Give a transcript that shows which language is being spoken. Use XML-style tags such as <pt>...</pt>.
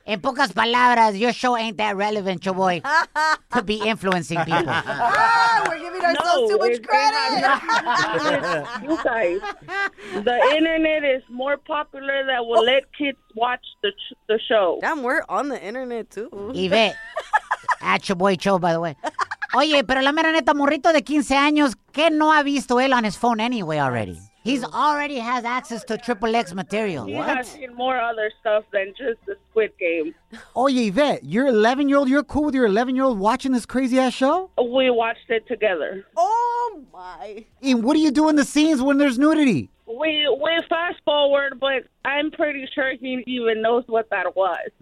<es>En pocas palabras,</es> <en>your show ain't that relevant, your boy. To be influencing people. Ah, we're giving ourselves too much credit. You guys, the internet is more popular that will let kids watch the show. Damn, we're on the internet, too. Yvette, at your boy show, by the way.</en> <es>Oye, pero la mera neta, morrito de 15 años, ¿qué no ha visto él</es> <en>on his phone anyway already? He's already has access to Triple X material. He has seen more other stuff than just the Squid Game.</en> <es>Oye,</es> <en>Yvette, you're 11-year-old. You're cool with your 11-year-old watching this crazy-ass show? We watched it together. Oh, my. And what do you do in the scenes when there's nudity? We fast forward, but I'm pretty sure he even knows what that was.</en>